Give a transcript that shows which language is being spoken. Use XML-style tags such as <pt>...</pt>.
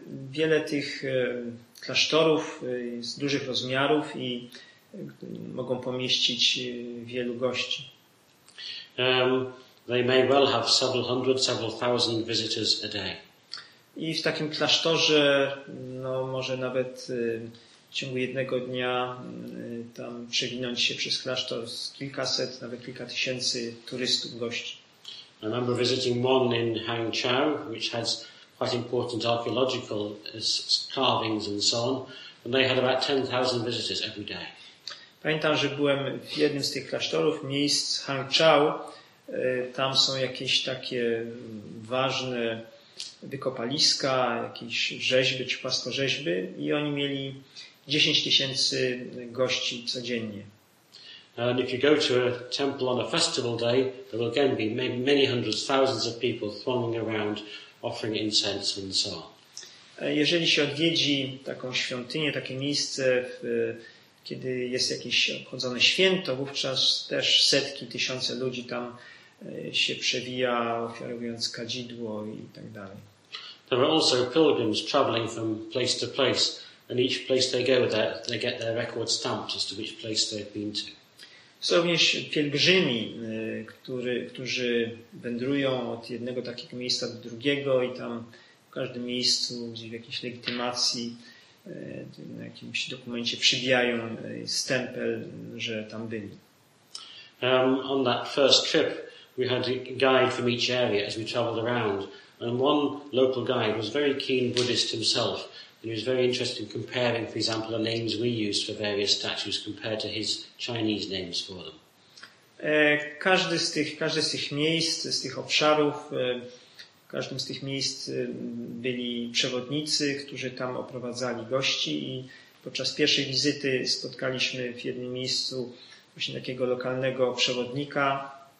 <pl>Wiele tych klasztorów jest dużych rozmiarów i mogą pomieścić wielu gości.</pl> <en>They may well have several hundred, several thousand visitors a day.</en> <pl>I w takim klasztorze no, może nawet w ciągu jednego dnia tam przewinąć się przez klasztor z kilkaset, nawet kilka tysięcy turystów, gości.</pl> <en>I remember visiting one in Hangzhou, which has quite important archaeological carvings and so on, and they had about 10,000 visitors every day.</en> <pl>Pamiętam, że byłem w jednym z tych klasztorów, miejsc Hangzhou. Tam są jakieś takie ważne wykopaliska, jakieś rzeźby czy płaskorzeźby i oni mieli 10 tysięcy gości codziennie.</pl> <en>And if you go to a temple on a festival day, there will again be many hundreds, thousands of people thronging around, offering incense and so on.</en> <pl>Jeżeli się odwiedzi taką świątynię, takie miejsce, kiedy jest jakieś obchodzone święto, wówczas też setki, tysiące ludzi tam się przewija, ofiarowując kadzidło i tak dalej.</pl> <en>There are also pilgrims traveling from place to place, and each place they go, they get their record stamped as to which place they've been to.</en> <pl>Są również pielgrzymi, którzy wędrują od jednego takiego miejsca do drugiego i tam w każdym miejscu, gdzie w jakiejś legitymacji, na jakimś dokumencie przybijają stempel, że tam byli.</pl> <en>On that first trip, we had a guide from each area as we traveled around. And one local guide was very keen Buddhist himself. And he was very interested in comparing, for example, the names we use for various statues compared to his Chinese names for them.</en> <pl>Każde z tych miejsc, z tych obszarów, w każdym z tych miejsc byli przewodnicy, którzy tam oprowadzali gości i podczas pierwszej wizyty spotkaliśmy w jednym miejscu właśnie takiego lokalnego przewodnika,</pl>